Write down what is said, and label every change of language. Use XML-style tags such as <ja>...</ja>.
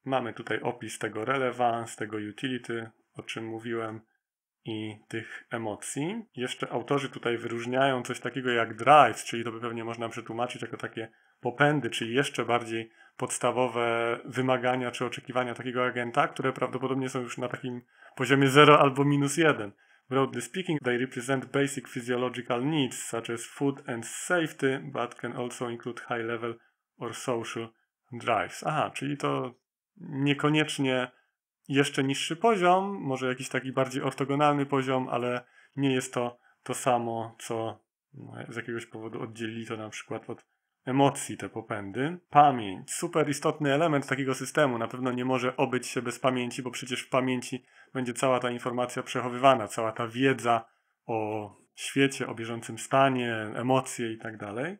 <pl>Mamy tutaj opis tego relevance, tego utility, o czym mówiłem, i tych emocji. Jeszcze autorzy tutaj wyróżniają coś takiego jak drives, czyli to by pewnie można przetłumaczyć jako takie popędy, czyli jeszcze bardziej podstawowe wymagania czy oczekiwania takiego agenta, które prawdopodobnie są już na takim poziomie 0 albo minus 1.</pl> <en>Broadly speaking, they represent basic physiological needs, such as food and safety, but can also include high level or social drives.</en> <pl>Aha, czyli to niekoniecznie jeszcze niższy poziom, może jakiś taki bardziej ortogonalny poziom, ale nie jest to to samo, co z jakiegoś powodu oddzieli to na przykład od emocji te popędy. Pamięć. Super istotny element takiego systemu. Na pewno nie może obyć się bez pamięci, bo przecież w pamięci będzie cała ta informacja przechowywana, cała ta wiedza o świecie, o bieżącym stanie, emocje i tak dalej.</pl>